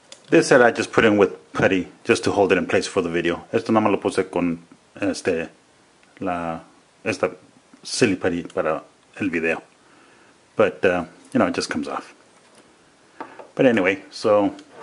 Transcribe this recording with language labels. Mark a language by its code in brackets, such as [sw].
[en] This set I just put in with putty, just to hold it in place for the video. [es] Esto nada más lo puse con esta silly putty para el video. [en] But, you know, it just comes off. But anyway, so